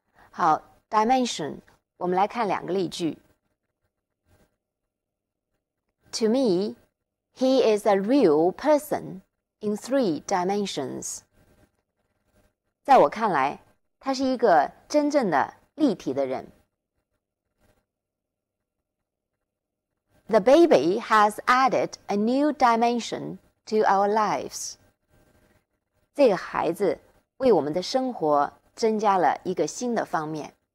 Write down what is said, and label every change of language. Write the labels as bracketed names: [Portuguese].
[Chinese] 好， dimension， 我们来看两个例句。 [English] To me, he is a real person in three dimensions. [Chinese] 在我看来，他是一个真正的立体的人。 [English] The baby has added a new dimension to our lives. [Chinese] 这个孩子为我们的生活增加了一个新的方面。